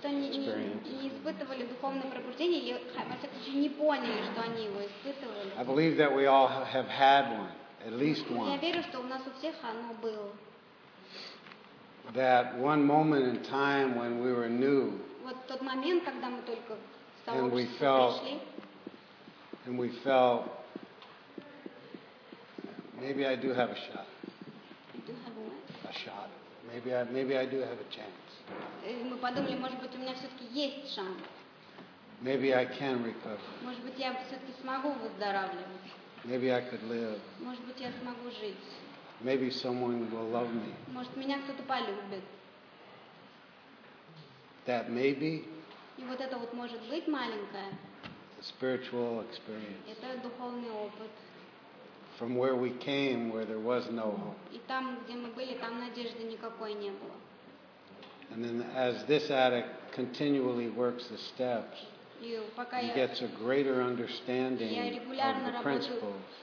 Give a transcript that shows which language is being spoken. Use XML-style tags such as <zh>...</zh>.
<en>I believe that we all have had one. At least one.</en> <ru>Я верю, что у нас у всех оно было.</ru> <en>That one moment in time when we were new.</en> <ru>Вот тот момент, когда мы только в сообщество пришли.</ru> <en>And we felt, maybe I do have a shot. I do have what? A shot. Maybe I do have a chance.</en> <ru>Мы подумали, может быть, у меня все-таки есть шанс.</ru> <en>Maybe I can recover.</en> <ru>Может быть, я все-таки смогу выздоравливать.</ru> <en>Maybe I could live.</en> <ru>Может быть, я смогу жить.</ru> <en>Maybe someone will love me.</en> <ru>Может, меня кто-то полюбит.</ru> <en>That maybe.</en> <ru>И вот это вот может быть маленькое.</ru> <en>Spiritual experience.</en> <ru>Это духовный опыт.</ru> <en>From where we came, where there was no hope.</en> <ru>И там, где мы были, там надежды никакой не было.</ru> <en>And then as this addict continually works the steps, he gets a greater understanding of the principles.</en>